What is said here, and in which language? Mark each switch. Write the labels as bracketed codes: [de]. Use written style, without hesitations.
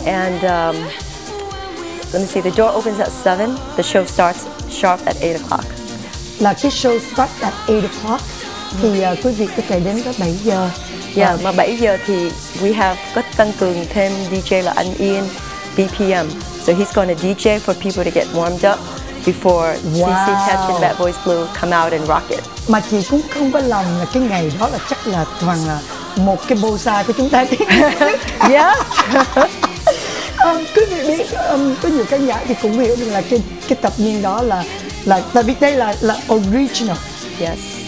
[en] And let me see, the door opens at 7. The show starts sharp at 8 o'clock. [vi] Là cái [en] show starts at 8 o'clock. [vi] Thì quý vị có thể đến tới 7 giờ. [en] Yeah, [vi] mà 7 giờ thì [en] we have [vi] có tăng cường thêm DJ là anh Ian, BPM. [en] So he's going to DJ for people to get warmed up before CC Catch and Bad Boys Blue come out and rock it. [vi] Mà chị cũng không có lầm là cái ngày đó là chắc là toàn là một cái bosa của chúng ta. [en] Yeah. [vi] Quý vị biết, có nhiều khán giả thì cũng hiểu được là cái tập niên đó là tại vì đây là original. [en] Yes.